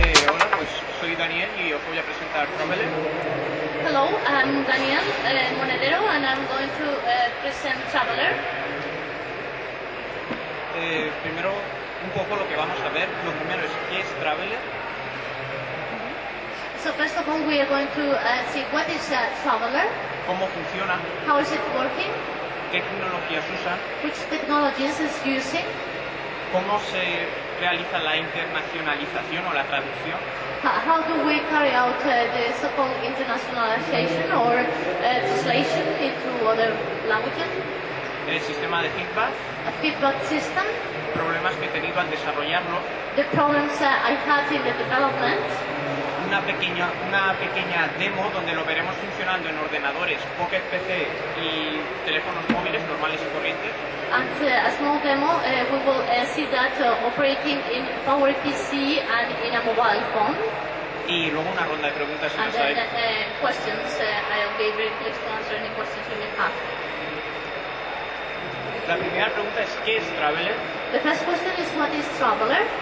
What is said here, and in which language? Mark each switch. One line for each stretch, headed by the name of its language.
Spanish: Hola, pues soy Daniel y os voy a presentar Trommel.
English: Hello, I'm Daniel Monedero and I'm going to present Traveler.
Spanish: Primero, un poco lo que vamos a ver. Lo primero es qué es Traveler.
English: So first of all, we are going to see what is Traveler.
Spanish: ¿Cómo funciona?
English: How is it working?
Spanish: ¿Qué tecnologías usan?
English: Which technologies is using?
Spanish: ¿Cómo se realiza la internacionalización o la traducción?
English: How do we carry out the so-called internationalization or translation into other languages?
Spanish: ¿El sistema de feedback?
English: A feedback system.
Spanish: ¿Problemas que he tenido al desarrollarlo?
English: The problems I had in the development.
Spanish: Una pequeña demo donde lo veremos funcionando en ordenadores, Pocket PC y teléfonos móviles normales y corrientes.
English: And a small demo, we will see that operating in Power PC and in a mobile phone.
Spanish: Y luego una ronda de preguntas y respuestas.
English: And questions, I'll be very pleased to answer any questions you may have.
Spanish: La primera pregunta es ¿qué es Traveler?
English: The first question is what is Traveler?